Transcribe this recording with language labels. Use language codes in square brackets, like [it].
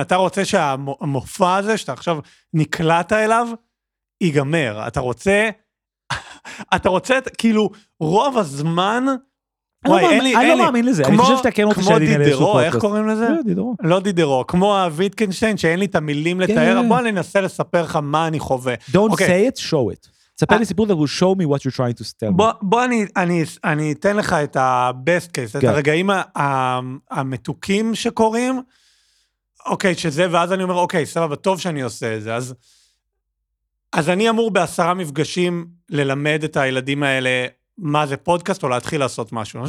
[he] אתה רוצה שהמופע הזה שאתה עכשיו נקלעת אליו, ייגמר. אתה רוצה, אתה רוצה, כאילו, רוב הזמן, אני לא מאמין לזה, אני חושב שאתה כן רוצה שעדיני לאיזשהו פודקאסט. כמו דידרו, איך קוראים לזה? לא דידרו. לא דידרו, כמו הוויטקנשטיין, שאין לי את המילים לתאר, בוא אני אנסה לספר לך מה אני חווה. [en] Don't say it, show it. [he] תספר לי סיפור [en] that will show me what you're trying to tell me. [he] בוא אני אתן לך את הבסט קייס, את הרגעים המתוקים שקורים, אוקיי, שזה, ואז אני אומר, אוקיי, סבבה, טוב שאני עושה את זה, אז אני אמור בעשרה מפגשים ללמד את הילדים האלה מה זה פודקאסט, או להתחיל לעשות משהו.